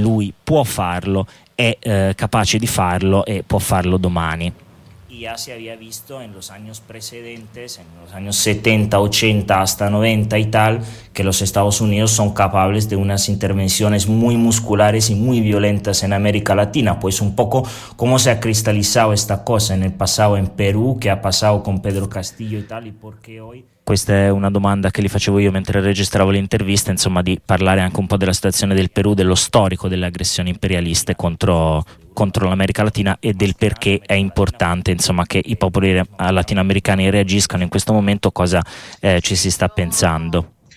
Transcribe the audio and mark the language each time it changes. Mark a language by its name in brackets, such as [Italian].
[Italian] Lui può farlo, è capace di farlo e può farlo domani. [Spanish] Ya se había visto en los años precedentes, en los años 70, 80, hasta 90 y tal, que los Estados Unidos son capaces de unas intervenciones muy musculares y muy violentas en América Latina. Pues un poco cómo se ha cristalizado esta cosa en el pasado en Perú, que ha pasado con Pedro Castillo y tal, y por qué hoy... [Italian] Questa è una domanda che gli facevo io mentre registravo l'intervista, insomma, di parlare anche un po' della situazione del Perù, dello storico delle aggressioni imperialiste contro l'America Latina e del perché è importante, insomma, che i popoli latinoamericani reagiscano in questo momento, cosa ci si sta pensando.